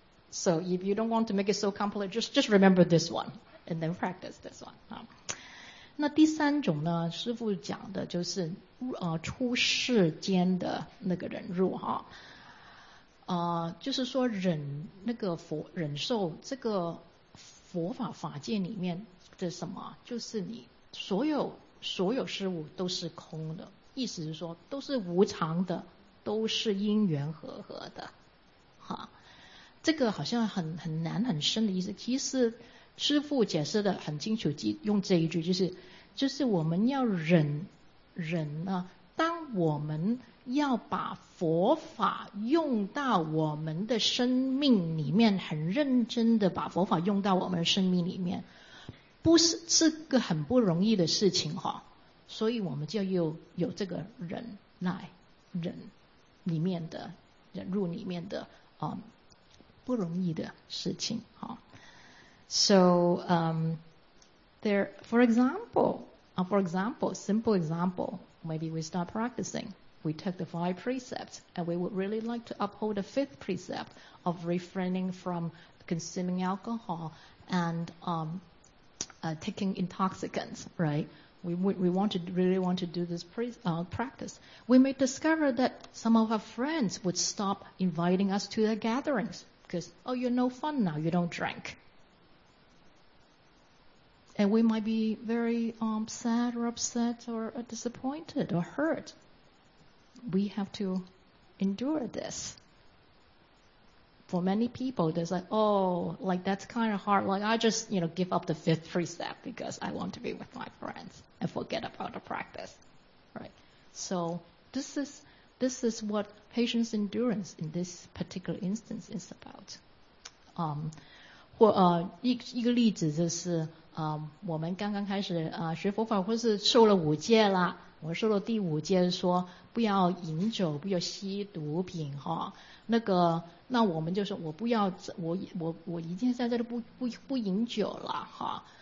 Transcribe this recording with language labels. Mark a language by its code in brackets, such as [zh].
[en] So if you don't want to make it so complex, just remember this one and then practice this one. [zh] 那第三种呢，师父讲的就是出世间的那个忍辱哈，就是说忍受这个佛法法界里面的什么，就是你所有事物都是空的，意思是说都是无常的，都是因缘和合的哈。这个好像很难很深的意思，其实师父解释的很清楚，用这一句就是我们要忍呢，当我们要把佛法用到我们的生命里面，很认真的把佛法用到我们的生命里面，不是是个很不容易的事情哈，所以我们就有这个忍耐，忍里面的忍辱里面的不容易的事情哈。 [en] So there, for example, simple example, maybe we start practicing. We take the five precepts, and we would really like to uphold the fifth precept of refraining from consuming alcohol and taking intoxicants, right? We really want to do this practice. We may discover that some of our friends would stop inviting us to their gatherings because, oh, you're no fun now, you don't drink. And we might be very sad or upset or disappointed or hurt. We have to endure this. For many people, there's like, oh, like that's kind of hard. Like I just, you know, give up the fifth precept because I want to be with my friends and forget about the practice, right? So this is what patience endurance in this particular instance is about. [zh] 一个例子就是，我们刚刚开始学佛法，或是受了五戒啦。我说了第五戒说不要饮酒，不要吸毒品哈。那我们就说我不要，我一定现在都不饮酒了哈。